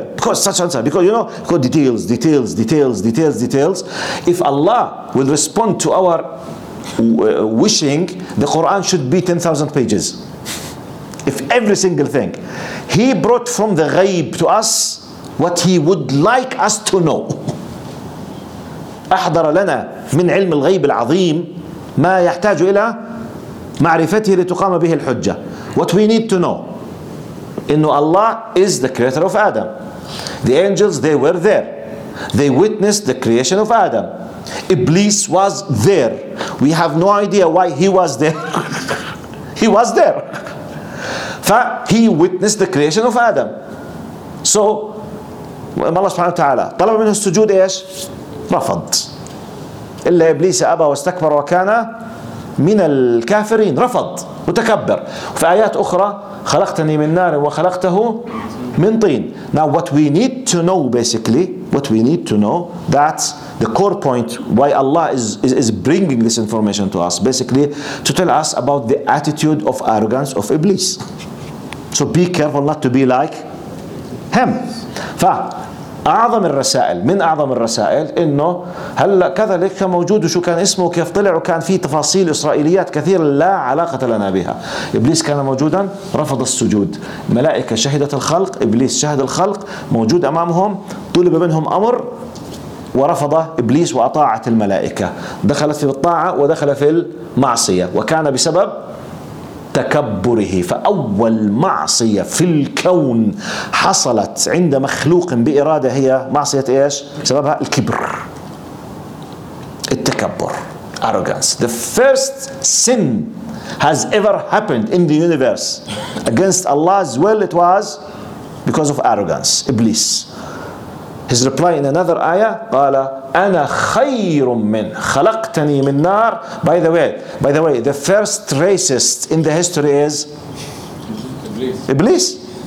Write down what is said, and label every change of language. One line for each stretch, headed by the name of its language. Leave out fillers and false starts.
English: Because such and such, because you know, because details. If Allah will respond to our wishing, the Quran should be 10,000 pages. If every single thing he brought from the ghaib to us, what he would like us to know.
Arabic: أحضر لنا من علم الغيب العظيم ما يحتاج إلى معرفته لتقام به الحجة.
English: What we need to know, إنه Allah is the creator of Adam. The angels, they were there. They witnessed the creation of Adam. Iblis was there. We have no idea why he was there. He was there. فهي witnessed the creation of Adam.
Arabic: So الله سبحانه وتعالى طلب منه السجود إيش؟ رفض. إلا إبليس أبى واستكبر وكان من الكافرين. رفض وتكبر. في آيات أخرى خلقتني من نار وخلقته من طين.
English: Now what we need to know basically, what we need to know, that's the core point why Allah is bringing this information to us, basically to tell us about the attitude of arrogance of Iblis. So be careful not to be like him.
Arabic: فأعظم الرسائل, من أعظم الرسائل إنه هلا كذلك موجود وشو كان اسمه وكيف طلع وكان فيه تفاصيل إسرائيليات كثير لا علاقة لنا بها. إبليس كان موجودا, رفض السجود. ملائكة شهدت الخلق, إبليس شهد الخلق, موجود أمامهم, طلب منهم أمر ورفض إبليس وأطاعة الملائكة, دخل في الطاعة ودخل في المعصية, وكان بسبب تكبره. فأول معصية في الكون حصلت عند مخلوق بإرادة هي معصية إيش؟ سببها الكبر, التكبر, arrogance.
English: The first sin has ever happened in the universe against Allah's will, it was because of arrogance, Iblis. His reply in another ayah,
Arabic: قال أنا خير من خلقتني من نار.
English: By the way, the first racist in the history is Iblis.